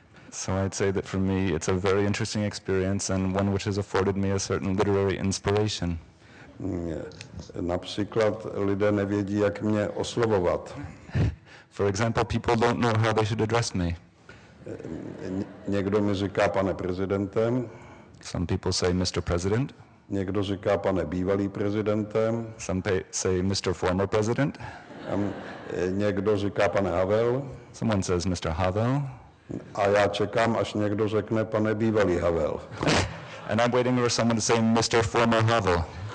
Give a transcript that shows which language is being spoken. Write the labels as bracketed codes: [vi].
[en] So I'd say that for me it's a very interesting experience and one which has afforded me a certain literary inspiration. [cs] Například lidé nevědí, jak mě oslovovat. [en] For example, people don't know how they should address me. [cs] Někdo mi říká pane prezidente. [en] Some people say Mr. President. [cs] Někdo říká pane bývalý prezidente. [en] Some say Mr. Former President. [cs] Někdo říká pane Havel. [en] Someone says Mr. Havel. [cs] A já čekám, až někdo řekne pane bývalý Havel. [en] And I'm waiting for someone to say Mr. Former Havel.